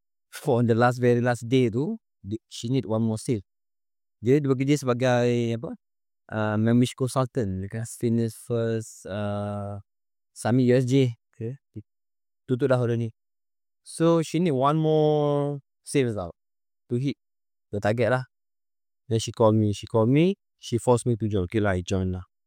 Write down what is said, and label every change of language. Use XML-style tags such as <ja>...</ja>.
<en>For the last very last day tu, she need one more sale.</en> <ms>Dia bekerja sebagai apa? Membership consultant dekat Fitness First Summit USJ.</ms> <en>Okay.</en> <ms>Tutup dah hari ni.</ms> <en>So she need one more sale tau to hit the target lah. Then she call me, she call me, she force me to join. Okay lah, I join lah.</en>